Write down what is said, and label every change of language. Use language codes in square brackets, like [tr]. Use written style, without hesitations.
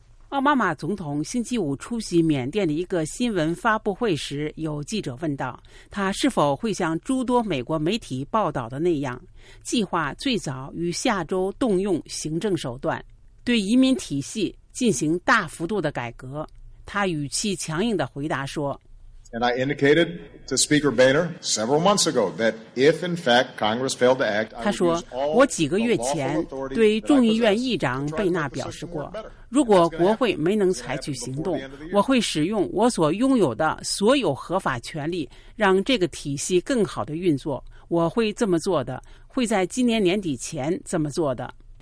[zh] 奥巴马总统星期五出席缅甸的一个新闻发布会时，有记者问道，他是否会像诸多美国媒体报道的那样，计划最早于下周动用行政手段，对移民体系进行大幅度的改革。他语气强硬地回答说， [en] And I indicated to Speaker Boehner several months ago that if in fact Congress failed to act, [zh] 他说，我几个月前对众议院议长贝纳表示过，如果国会没能采取行动，我会使用我所拥有的所有合法权利让这个体系更好的运作，我会这么做的，会在今年年底前这么做的。